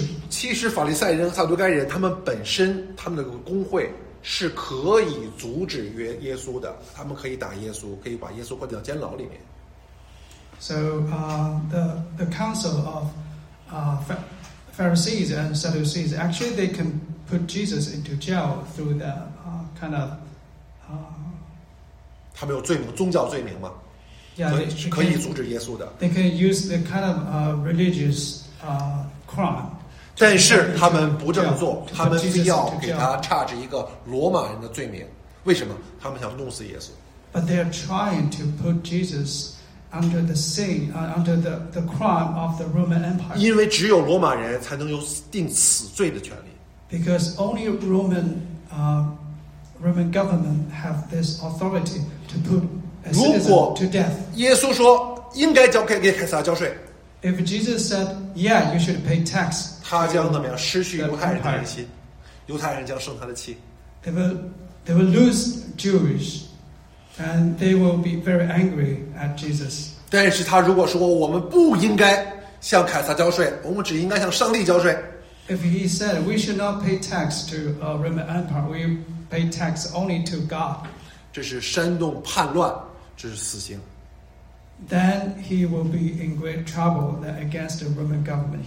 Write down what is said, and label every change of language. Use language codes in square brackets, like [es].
[zh] 其实法利赛人和撒都该人他们本身他们的工会是可以阻止耶稣的，他们可以打耶稣，可以把耶稣关到监牢里面。 [en] So the council of Pharisees and Sadducees actually they can put Jesus into jail through the kind of [zh] 他们有罪名，宗教罪名吗？ [en] Yeah, [zh] 可以阻止耶稣的。 [en] They can use the kind of religiouscrime, [zh] 但是他们不这么做，他们非要给他charge一个罗马人的罪名。为什么？他们想弄死耶稣。 [en] But they are trying to put Jesus under the sin, under the crime of the Roman Empire. [zh] 因为只有罗马人才能有定死罪的权利。 [en] Because only Roman government have this authority to put a citizen to death. [zh] 如果耶稣说应该交给凯撒交税。 [en] If Jesus said, "Yeah, you should pay tax," [zh] 他将怎么样失去犹太人的人心，犹太人将生他的气。 [en] They will lose Jewish, and they will be very angry at Jesus. [zh] 但是他如果说我们不应该向凯撒交税，我们只应该向上帝交税。 [en] If he said we should not pay tax to Roman Empire, we pay tax only to God. [zh] 这是煽动叛乱，这是死刑。 [en] Then he will be in great trouble that against the Roman government.